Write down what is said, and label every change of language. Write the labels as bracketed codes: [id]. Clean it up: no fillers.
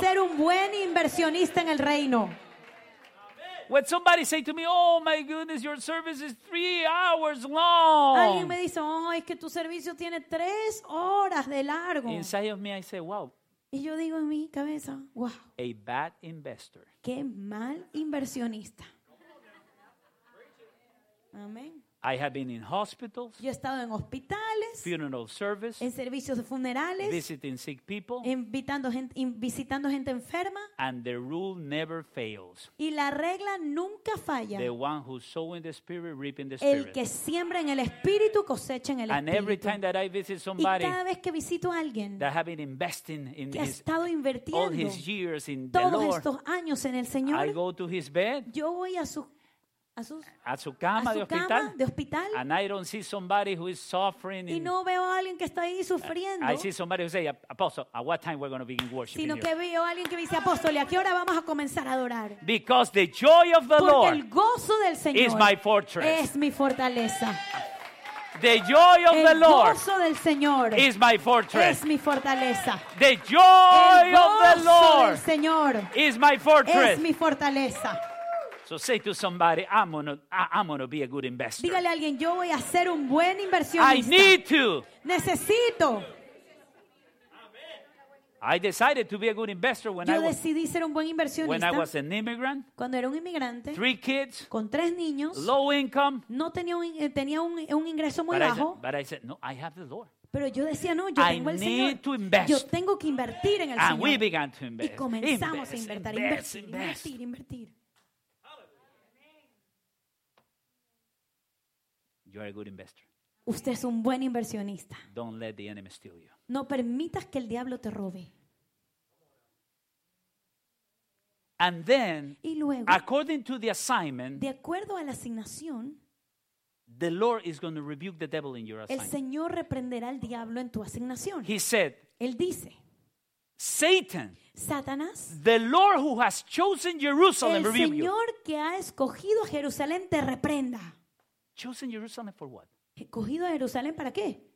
[es] Yo voy a ser un buen inversionista en el reino. [en] When somebody say to me, oh my goodness, your service is 3 hours long. [es] Alguien me dice, oh, es que tu servicio tiene 3 horas de largo. [en] Inside of me, I say, wow. [es] Y yo digo en mi cabeza, wow. [en] A bad investor. [es] Qué mal inversionista. Amén. [en] I have been in hospitals. [es] Yo he estado en hospitales. [en] Funeral service. [es] En servicios de funerales. [en] Visiting sick people. [es] Visitando gente enferma. [en] And the rule never fails. [es] Y la regla nunca falla. [en] The one who sows in the spirit reaps in the spirit. [es] El que siembra en el espíritu cosecha en el espíritu. [en] And every time that I visit somebody, [es] y cada vez que visito a alguien, [en] that have been investing in [es] que ha estado invirtiendo [en] all his years in [es] todos [en] the Lord, [es] estos años en el Señor, [en] I go to his bed. [es] Yo voy a su cama de hospital. [en] And I don't see somebody who is suffering. [es] Y no veo a alguien que está ahí sufriendo. [en] I see somebody who say, Apostle, at what time we're going to begin worshiping? [es] Sino que veo a alguien que dice, Apóstol, ¿a qué hora vamos a comenzar a adorar? [en] Because the joy of the [es] Porque [en] Lord [es] el gozo del Señor [en] is my fortress. [es] Es mi fortaleza. [en] The joy of [es] el [en] the Lord [es] gozo del Señor [en] is my fortress. [es] Es mi fortaleza. [en] The joy [es] el gozo [en] of the Lord [es] del Señor [en] is my fortress. [es] Es mi fortaleza. [en] So say to somebody, I'm gonna be a good investor. [es] Dígale a alguien, yo voy a ser un buen inversionista. [en] I need to. [es] Necesito. [en] I decided to be a good investor when [es] yo decidí ser un buen inversionista. [en] When I was an immigrant. [es] Cuando era un inmigrante. [en] 3 kids. [es] Con 3 niños. [en] Low income. [es] No tenía un ingreso muy bajo. [en] But I said, no, I have the Lord. [es] Pero yo decía, no, yo tengo el Señor. Yo tengo que invertir en el [en] And [es] Señor. [en] We began to invest. [es] Y comenzamos a invertir. [en] You are a good investor. [es] Usted es un buen inversionista. [en] Don't let the enemy steal you. [es] No permitas que el diablo te robe. [en] And then, [es] y luego, [en] according to the assignment, [es] de acuerdo a la asignación, [en] the Lord is going to rebuke the devil in your assignment. [es] El Señor reprenderá al diablo en tu asignación. [en] He said, [es] él dice, [en] Satan, [es] Satanás, [en] the Lord who has chosen Jerusalem rebuke [es] El Señor que ha escogido Jerusalén te reprenda. [en] Chosen Jerusalem for what? [es] ¿Escogido a Jerusalén para qué?